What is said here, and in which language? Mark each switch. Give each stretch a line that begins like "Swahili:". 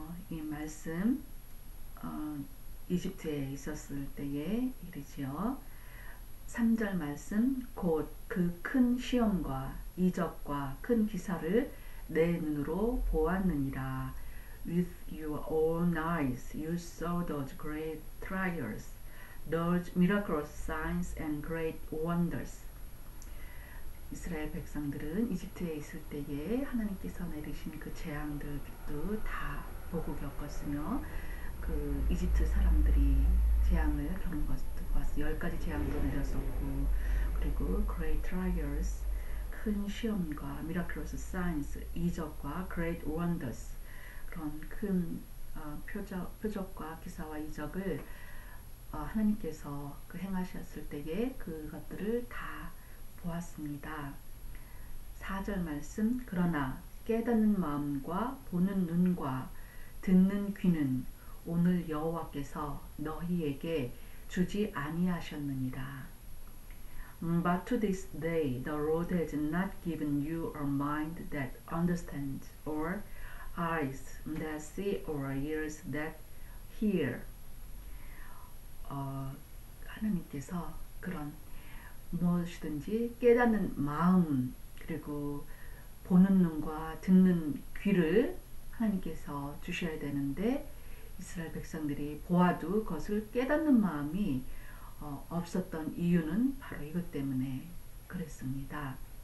Korean: 이 말씀, 이집트에 있었을 때의 일이지요. 3절 말씀, 곧그큰 시험과 이적과 큰 기사를 내 눈으로 보았느니라.
English: With your own eyes, you saw those great trials, those miraculous signs and great wonders.
Korean: 이스라엘 백성들은 이집트에 있을 때에 하나님께서 내리신 그 재앙들도 다 보고 겪었으며, 그 이집트 사람들이 재앙을 겪는 것도 봤어. 열 가지 재앙도 내렸었고, 그리고
English: great trials,
Korean: 큰 시험과
English: miraculous signs,
Korean: 이적과
English: great wonders.
Korean: 그런 큰 표적과 기사와 이적을 하나님께서 그 행하셨을 때에 그것들을 다 보았습니다. 4절 말씀, 그러나 깨닫는 마음과 보는 눈과 듣는 귀는 오늘 여호와께서 너희에게 주지 아니하셨느니라.
English: But to this day the Lord has not given you a mind that understands or eyes that see or ears that hear.
Korean: 하나님께서 그런 무엇이든지 깨닫는 마음, 그리고 보는 눈과 듣는 귀를 하나님께서 주셔야 되는데, 이스라엘 백성들이 보아도 그것을 깨닫는 마음이 없었던 이유는 바로 이것 때문에 그랬습니다.